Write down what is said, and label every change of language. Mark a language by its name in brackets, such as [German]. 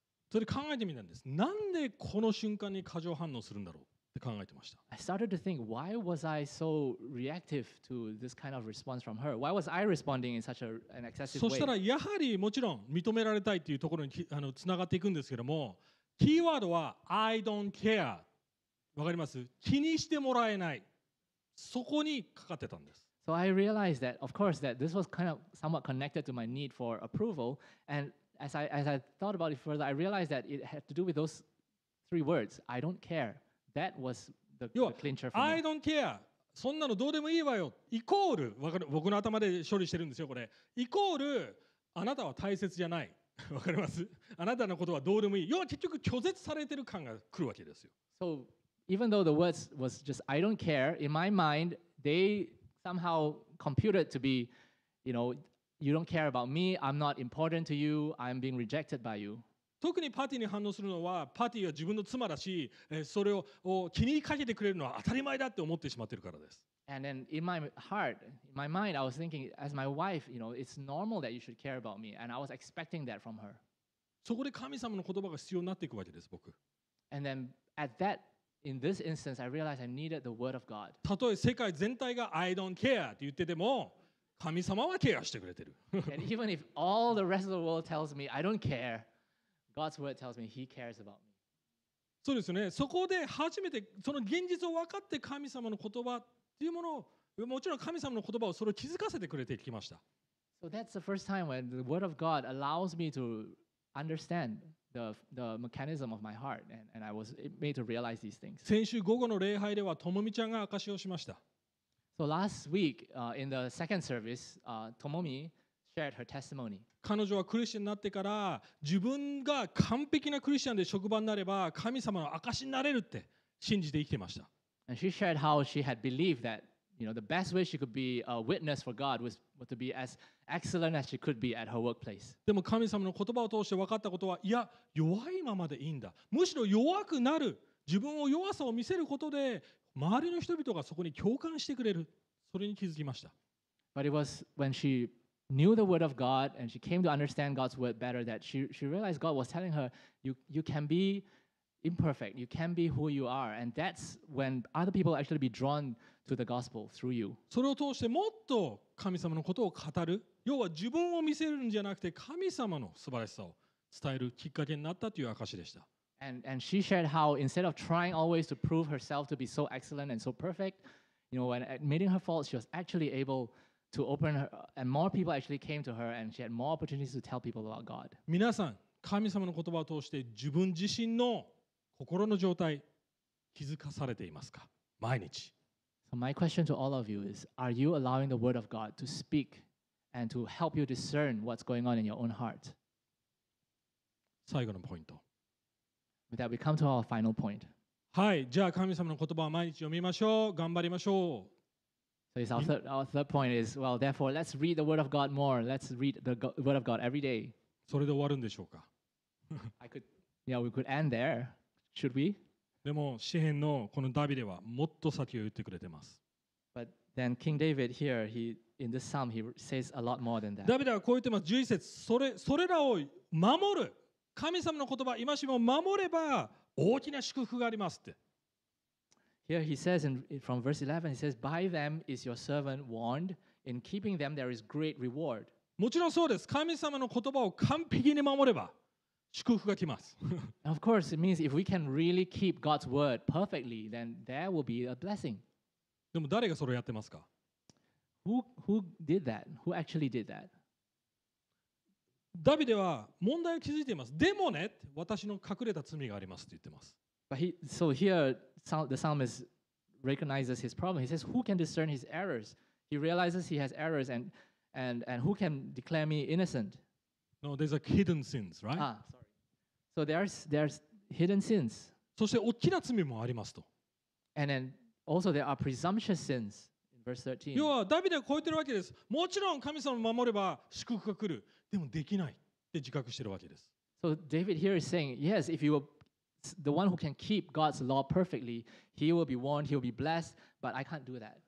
[Japanese] それで考えてみたんです。なんでこの瞬間に過剰反応するんだろうって考えてました。 [English] I started to think, why was I so reactive to this kind of response from her? Why was I responding in such an excessive way? [Japanese] そしたらやはりもちろん認められたいっていうところにつながっていくんですけども、キーワードは [English] I don't care。 [Japanese] わかります？気にしてもらえない。そこにかかってたんです。 [English] So I realized that, of course, that this was kind of somewhat connected to my need for approval. And as I thought about it further, I realized that it had to do with those three words, I don't care.That was the clincher for me. I don't care. [Japanese] そんなのどうでもいいわよ。イコール、わかる？僕の頭で処理してるんですよ、これ。イコール、あなたは大切じゃない。わかります？あなたのことはどうでもいい。要は結局拒絶されてる感が来るわけですよ。 [English] So, even though the words was just, I don't care, in my mind, they somehow computed to be, you know, you don't care about me, I'm not important to you, I'm being rejected by you. [Japanese] 特にパーティーに反応するのはパーティーは自分の妻だし、それを気にかけてくれるのは当たり前だって思ってしまってるからです。 [English] And then in my heart, in my mind, I was thinking, as my wife, you know, it's normal that you should care about me, and I was expecting that from her. [Japanese] そこで神様の言葉が必要になっていくわけです、僕。 [English] And then at that, in this instance, I realized I needed the word of God. [Japanese] たとえ世界全体が [English] I don't care [Japanese] って言ってても、神様はケアしてくれてる。 [English] And even if all the rest of the world tells me I don't care,God's word tells me He cares about me. [Japanese] そうですね。そこで初めてその現実を分かって神様の言葉っていうものを、もちろん神様の言葉をそれを気づかせてくれてきました。 [English] So that's the first time when the word of God allows me to understand the mechanism of my heart, and I was made to realize these things. [Japanese] 先週午後の礼拝ではともみちゃんが証しをしました。 [English] So last week, in the second service, Tomomi shared her testimony. [Japanese] 彼女はクリスチャンになってから自分が完璧なクリスチャンで職場になれば神様の証になれるって信じて生きてました。 [English] And she shared how she had believed that, you know, the best way she could be a witness for God was to be as excellent as she could be at her workplace. [Japanese] でも神様の言葉を通して分かったことは、いや、弱いままでいいんだ。むしろ弱くなる、自分を弱さを見せることで周りの人々がそこに共感してくれる、それに気づきました。 [English] But it was when sheknew the word of God and she came to understand God's word better that she realized God was telling her you can be imperfect, you can be who you are, and that's when other people actually be drawn to the gospel through you. [Japanese] それを通してもっと神様のことを語る、要は自分を見せるんじゃなくて神様の素晴らしさを伝えるきっかけになったという証でした。 [English] And she shared how instead of trying always to prove herself to be so excellent and so perfect, you know, when admitting her faults, she was actually ableTo open her, and more people actually came to her, and she had more opportunities to tell people about God. [Japanese] 皆さん、神様の言葉を通して自分自身の心の状態気づかされていますか？毎日。 [English] So my question to all of you is: Are you allowing the Word of God to speak and to help you discern what's going on in your own heart? [Japanese] 最後のポイント。 [English] With that, we come to our final point. [Japanese] はい、じゃあ神様の言葉を毎日読みましょう。頑張りましょう。 [English] So it's our third point is, well, therefore, let's read the Word of God more. Let's read the Word of God every day. [Japanese] それで終わるんでしょうか? [English] I could, yeah, we could end there. Should we? [Japanese] でも詩編のこのダビデはもっと先を言ってくれてます。 [English] But then King David here, he, in this psalm, he says a lot more than that. [Japanese] ダビデはこう言ってます。11節、それらを守る。神様の言葉、今しも守れば大きな祝福がありますって。 [English] Here he says in from verse 11, he says, "By them is your servant warned. In keeping them, there is great reward." [Japanese] もちろんそうです。神様の言葉を完璧に守れば祝福が来ます。 [English] Of course, it means if we can really keep God's word perfectly, then there will be a blessing. [Japanese] でも誰がそれをやってますか? [English] Who did that? Who actually did that? [Japanese] ダビデは問題を気づいています。でもね、私の隠れた罪がありますって言ってます。 [English] But he, so here, the psalmist recognizes his problem. He says, who can discern his errors? He realizes he has errors, and who can declare me innocent? No, there's a hidden sins, right? Ah, sorry. So there's hidden sins. [Japanese] そして大きな罪もありますと。 [English] And then also there are presumptuous sins in verse 13. [Japanese] 要はダビデは超えてるわけです。もちろん神様を守れば祝福が来る。でもできないって自覚してるわけです。 [English] So David here is saying, yes, if you were... The one who can keep God's law perfectly, he will be warned, he will be blessed, but I can't do that.